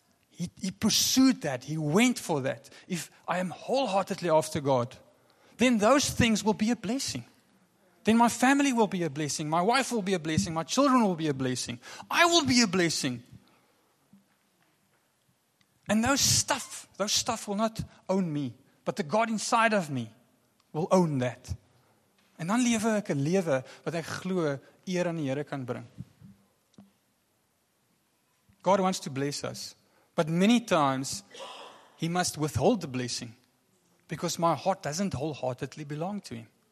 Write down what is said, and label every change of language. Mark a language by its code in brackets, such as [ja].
[en] He pursued that. He went for that. If I am wholeheartedly after God, then those things will be a blessing. Then my family will be a blessing. My wife will be a blessing. My children will be a blessing. I will be a blessing. And those stuff will not own me. But the God inside of me will own that. [af] En dan lewe ek 'n lewe wat ek glo eer aan die Here kan bring. [en] God wants to bless us. But many times he must withhold the blessing. Because my heart doesn't wholeheartedly belong to him.